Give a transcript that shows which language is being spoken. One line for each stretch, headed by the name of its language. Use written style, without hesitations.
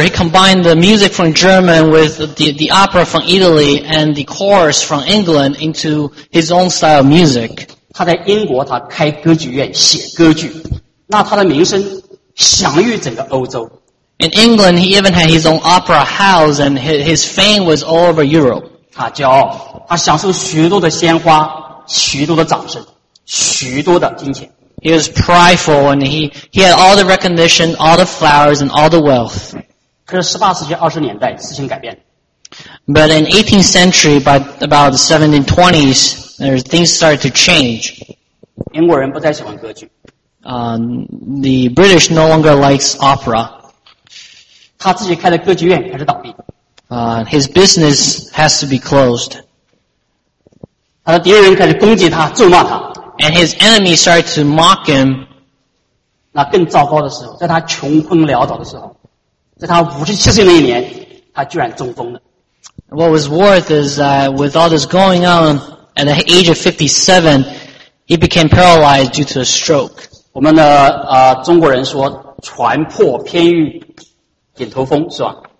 English: He combined the music from German with the opera from Italy and the chorus from England into his own style of music.
Chinese: 他在英国他开歌剧院写歌剧，那他的名声享誉整个欧洲。
English: In England, he even had his own opera house, and his fame was all over Europe.
Chinese: 他骄傲，他享受许多的鲜花，许多的掌声，许多的金钱。
English: He was prideful, and he had all the recognition, all the flowers, and all the wealth.
Chinese: 可是18世纪20年代事情改变。
English: But in 18th century, by about the 1720s, things started to change.
Chinese: 英国人不再喜欢歌剧。
English: The British no longer likes opera.
Chinese: 他自己开的歌剧院开始倒闭。
English: His business has to be closed.
Chinese: 他的敌人开始攻击他，咒骂他。
English: And his enemy started to mock him.
Chinese: 那更糟糕的时候，在他穷困潦倒的时候，在他57岁那一年，他居然中风了。
English: What was worse is that with all this going on, at the age of 57, he became paralyzed due to a stroke.
Chinese: 我们的中国人说，船破偏遇顶头风，是吧？